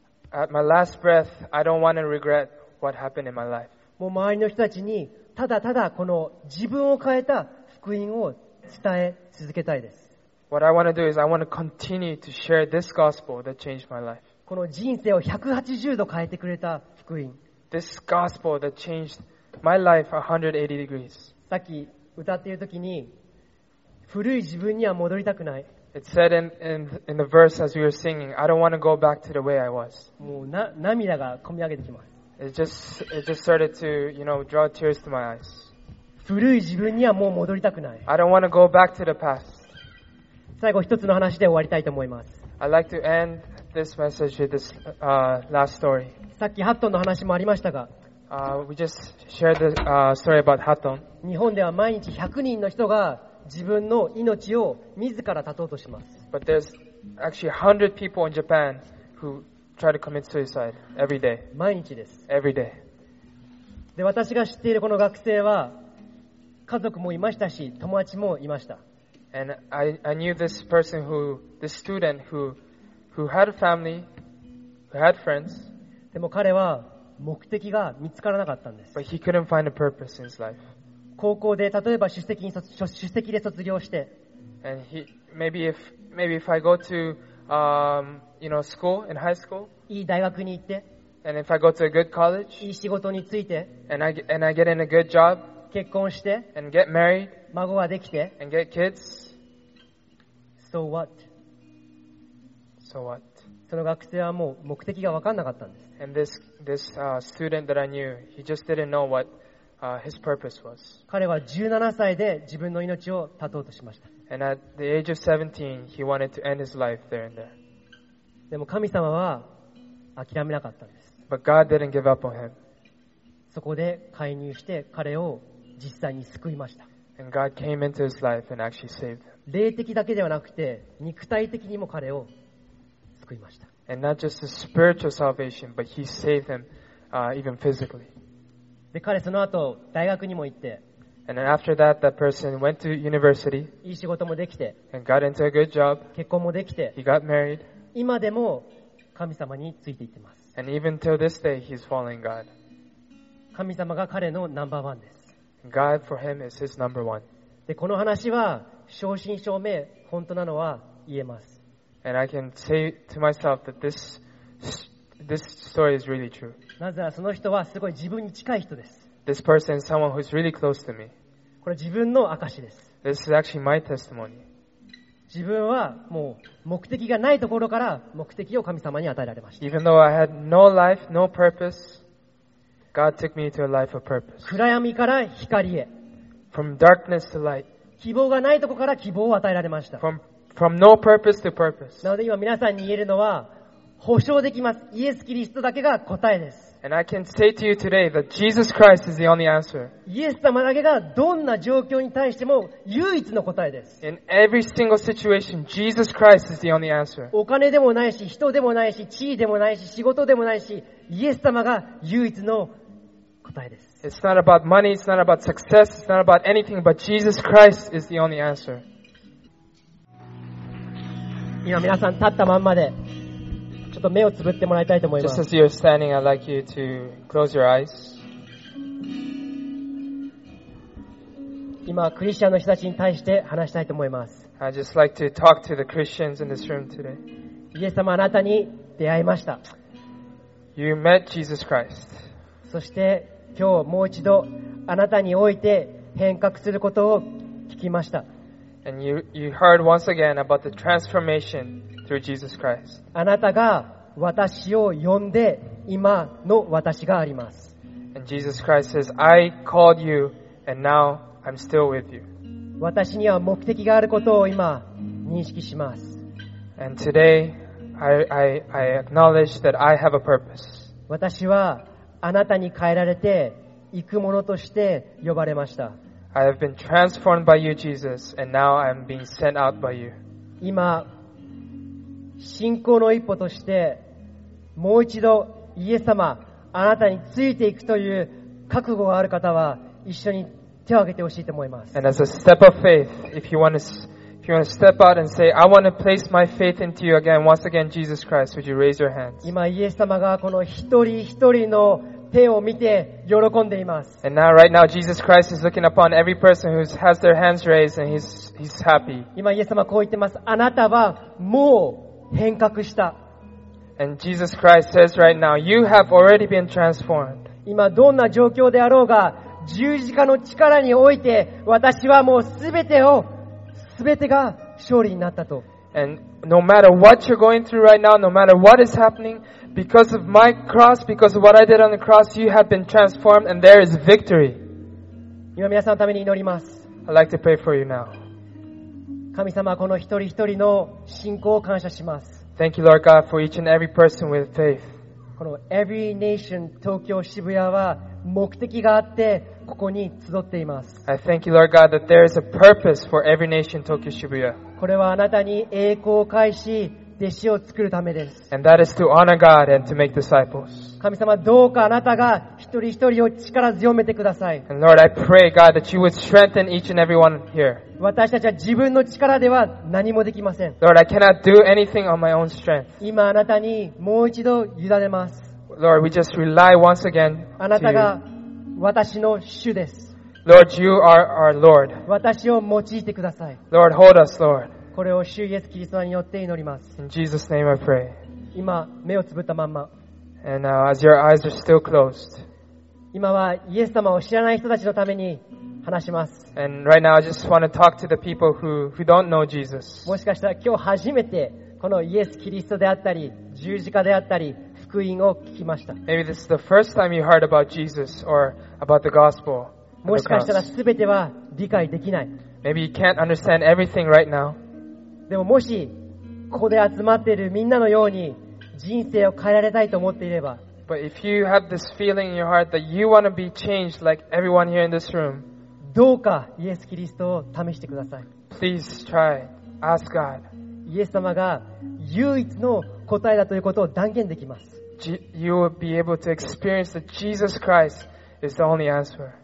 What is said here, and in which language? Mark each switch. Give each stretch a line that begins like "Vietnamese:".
English: At my last breath, I don't want to regret what happened in my life.
Japanese: もう周りの人たちにただただこの自分を変えた福音を伝え続けたいです。
English: What I want to do is I want to continue to share this gospel that changed my life.
Japanese: この人生を180度変えてくれた福音。
English: This gospel that changed my life 180 degrees.
Japanese: さっき歌っているときに、古い自分には戻りたくない。
English: It said in the verse as we were singing, I don't want to go back to the way I was.
Japanese: もうな涙が込み上げてきます。
English: It just started to, you know, draw tears to my eyes.
Japanese: 古い自分にはもう戻りたくない。
English: I don't want to go back to the past.
Japanese: 最後一つの話で終わりたいと思います。
English: I'd like to end this message with this last story.
Japanese: さっきハットンの話もありましたが、
English: we just shared the story about Hatton.
Japanese: 日本では毎日100人の人が自分の命を自ら絶とうとします。
English: But there's actually 100 people in Japan who try to commit suicide every day.
Japanese: 毎日です。
English: Every day.
Japanese: で、私が知っているこの学生は、家族もいましたし、友達もいました。
English: And I knew this person who, this student who had a family, who had friends.
Japanese: でも彼は目的が見つからなかったんです。
English: But he couldn't find a purpose in his life.
Japanese: 高校で例えば出席で卒業して、
English: and he, maybe if I go to you know school in high school、
Japanese: いい大学に行って、
English: and if I go to a good college、
Japanese: いい仕事について、
English: and I get in a good job、
Japanese: 結婚して、
English: and get married、
Japanese: 孫ができて、
English: and get kids、 so what? So what?
Japanese: その学生はもう目的が分かんなかったんです。
English: and this student that I knew, he just didn't know what. His purpose was.
Japanese: 彼は17歳で自分の命を絶とうとしました。
English: And at the age of 17, he wanted to end his life there and there.
Japanese: でも神様は諦めなかったんです。
English: But God didn't give up on him.
Japanese: そこで介入して彼を実際に救いました。
English: And God came into his life and actually saved him.
Japanese: 霊的だけではなくて肉体的にも彼を救いました。
English: And not just a spiritual salvation, but he saved him, even physically.
Japanese: で彼その後大学にも行って、
English: and after that, that person went to university,
Japanese: いい仕事もできて、
English: and got into a good job,
Japanese: 結婚もできて、
English: he got married,
Japanese: 今でも神様についていってます。
English: And even till this day, he's following God.
Japanese: 神様が彼のナンバーワンです。
English: God for him is his number one.
Japanese: でこの話は正真正銘本当なのは言えます。
English: And I can say to myself that this story is really true.
Japanese: なぜならその人はすごい自分に近い人です。
English: This person is someone who is really close to me.
Japanese: これは自分の証です。
English: This is actually my testimony.
Japanese: 自分はもう目的がないところから目的を神様に与えられました。
English: Even though I had no life, no purpose, God took me to a life of purpose.
Japanese: 暗闇から光へ。
English: From darkness to light.
Japanese: 希望がないところから希望を与えられました。
English: From no purpose to purpose.
Japanese: なので今皆さんに言えるのは保証できます。イエス・キリストだけが答えです。
English: And I can say to you today that Jesus Christ is the only answer.
Japanese: イエス様だけがどんな状況に対しても唯一の答えです。
English: In every single situation, Jesus Christ is the only answer.
Japanese: お金でもないし、人でもないし、地位でもないし、仕事でもないし、イエス様が唯一の答えです。
English: It's not about money, it's not about success, it's not about anything, but Jesus Christ is the only answer.
Japanese: 今皆さん立ったまんまで、ちょっと目をつぶってもらいたいと思います。
English: Just as you're standing, I'd like you to close your eyes.
Japanese: 今、クリスチャンの人たちに対して話したいと思います。
English: I'd just like to talk to the Christians in this room today.
Japanese: イエス様、あなたに出会いました。
English: You met Jesus Christ.
Japanese: そして、今日もう一度、あなたにおいて変革することを聞きました。
English: And you heard once again about the transformation. Through Jesus Christ.
Japanese: あなたが私を呼んで今の私があります。
English: And Jesus Christ says, I called you and now I'm still with you.
Japanese: 私には目的があることを今認識します。
English: And today, I acknowledge that I have a purpose.
Japanese: 私はあなたに変えられて行く者として呼ばれました。
English: I have been transformed by you, Jesus, and now I'm being sent out by you.
Japanese: 今信仰の一歩としてもう一度イエス様あなたについていくという覚悟がある方は一緒に手を挙げてほしいと思います。
English: And as a step of faith, if you want to step out and say, I want to place my faith into you again, once again, Jesus Christ, would you raise your hands?
Japanese: 今イエス様がこの一人一人の手を見て喜んでいます。
English: And now, right now, Jesus Christ is looking upon every person who has their hands raised and he's happy.
Japanese: 今イエス様こう言ってます。あなたはもう変革した。
English: And Jesus Christ says right now, you have already been transformed.
Japanese: 今どんな状況であろうが十字架の力において私はもうすべてが勝利になったと。
English: And no matter what you're going through right now, no matter what is happening, because of my cross, because of what I did on the cross, you have been transformed and there is victory.
Japanese: 今皆さんのために祈ります。
English: I'd like to pray for you now.
Japanese: 神様、この一人一人の信仰を感謝します。
English: Thank you, Lord God, for each and every person with faith.
Japanese: この Every Nation 東京渋谷は目的があってここに集っています。
English: I thank you, Lord God, that there is a purpose for Every Nation 東京渋谷。
Japanese: これはあなたに栄光を返し弟子を作るためです。
English: And that is to honor God and to make disciples.
Japanese: 神様、どうかあなたが一人一人を力強めてください。
English: And Lord, I pray, God, that you would strengthen each and everyone here.
Japanese: 私たちは自分の力では何もできません。
English: Lord, I cannot do anything on my own strength.
Japanese: 今あなたにもう一度委ねます。
English: Lord, we just rely once again to you.
Japanese: あなたが私の主です。
English: Lord, you are our Lord.
Japanese: 私を用いてください。
English: Lord, hold us, Lord.
Japanese: これを主イエスキリストによって祈ります。
English: In Jesus' name I pray.
Japanese: 今目をつぶったまんま。
English: And now, as your eyes are still closed.
Japanese: 今はイエス様を知らない人たちのために話します。
English: And right now I just want to talk to the people who don't know Jesus.
Japanese: もしかしたら今日初めてこのイエスキリストであったり十字架であったり福音を聞きました。
English: Maybe this is the first time you heard about Jesus or about the gospel.
Japanese: もしかしたらすべては理解できない。
English: Maybe you can't understand everything right now.
Japanese: でももしここで集まっているみんなのように人生を変えられたいと思っていれば、
English: But if you have this feeling in your heart that you want to be changed like everyone here in this room,
Japanese: どうかイエス・キリストを試してください。
English: Please try. Ask God.
Japanese: イエス様が唯一の答えだということを断言できます。
English: You will be able to experience that Jesus Christ is the only answer.